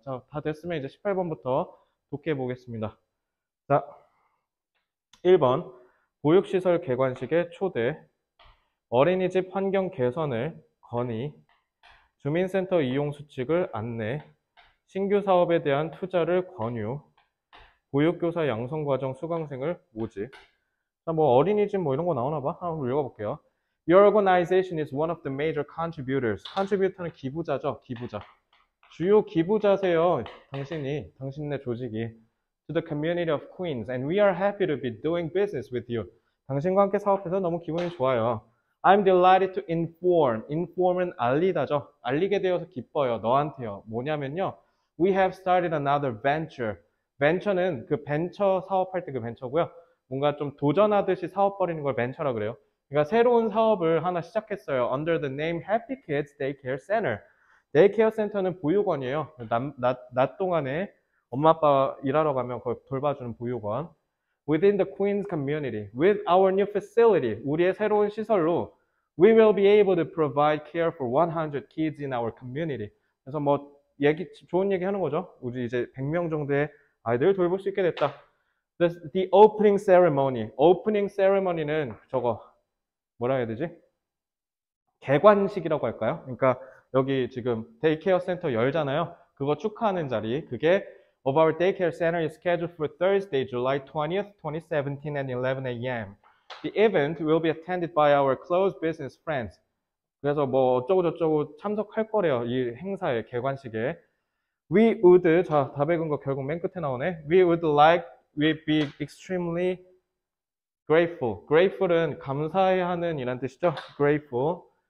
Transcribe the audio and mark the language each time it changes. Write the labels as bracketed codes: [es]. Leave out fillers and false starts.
[ko] 자, 다 됐으면 이제 18번부터 독해 보겠습니다. 자, 1번 보육시설 개관식에 초대, 어린이집 환경 개선을 건의, 주민센터 이용 수칙을 안내, 신규 사업에 대한 투자를 권유, 보육교사 양성 과정 수강생을 모집. 자, 뭐 어린이집 뭐 이런 거 나오나 봐. 한번 읽어볼게요. [en] Your organization is one of the major contributors. [ko] Contributor는 기부자죠. 기부자. 주요 기부자세요. 당신이, 당신네 조직이. [en] To the community of Queens. And we are happy to be doing business with you. [ko] 당신과 함께 사업해서 너무 기분이 좋아요. [en] I'm delighted to inform. Inform은 [ko] 알리다죠. 알리게 되어서 기뻐요. 너한테요. 뭐냐면요. [en] We have started another venture. [ko] Venture는 그 벤처 사업할 때그 벤처고요. 뭔가 좀 도전하듯이 사업 벌이는 걸 벤처라 그래요. 그러니까 새로운 사업을 하나 시작했어요. [en] Under the name Happy Kids Daycare Center. Daycare Center는 [ko] 보육원이에요. 낮 동안에 엄마 아빠 일하러 가면 그걸 돌봐주는 보육원. [en] Within the Queens community, with our new facility, [ko] 우리의 새로운 시설로 [en] we will be able to provide care for 100 kids in our community. [ko] 그래서 뭐 얘기 좋은 얘기 하는 거죠. 우리 이제 100명 정도의 아이들을 돌볼 수 있게 됐다. [en] The opening ceremony. Opening ceremony는 [ko] 저거 뭐라 해야 되지? 개관식이라고 할까요? 그러니까 여기 지금 데이케어 센터 열잖아요. 그거 축하하는 자리. 그게 [en] Of our daycare center is scheduled for Thursday, July 20th, 2017 at 11 a.m. The event will be attended by our close business friends. [ko] 그래서 뭐 어쩌고저쩌고 참석할 거래요. 이 행사에, 개관식에. [en] We would, [ko] 자, 답 읽은 거 결국 맨 끝에 나오네. [en] We'd be extremely grateful. [ko] Grateful은 감사해하는 이란 뜻이죠. Grateful.